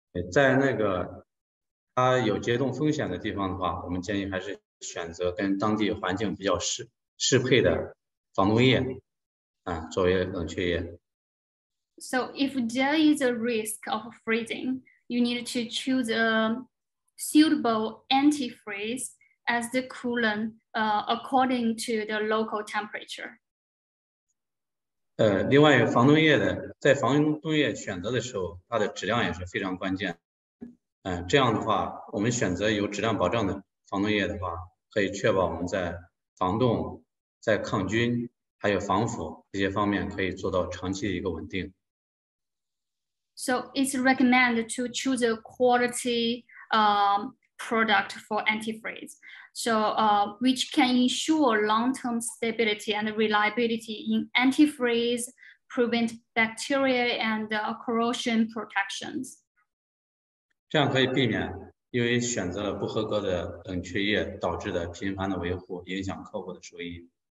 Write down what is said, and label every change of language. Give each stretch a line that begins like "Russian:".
Chinese: 在那个它有结冻风险的地方的话，我们建议还是选择跟当地环境比较适配的防冻液，作为冷却液。
English: So if there is a risk of freezing, you need to choose a suitable antifreeze as the coolant according to the local temperature.
Chinese: 另外防冻液的在防冻液选择的时候它的质量也是非常关键。这样的话我们选择有质量保障的防冻液的话可以确保我们在防冻在抗菌还有防腐这些方面可以做到长期的一个稳定。
English: So it's recommended to choose a quality product for antifreeze. So which can ensure long-term stability and reliability in antifreeze, prevent bacteria and corrosion protections.
Chinese: 这样可以避免因为选择了不合格的冷却液导致的频繁的维护影响客户的收益。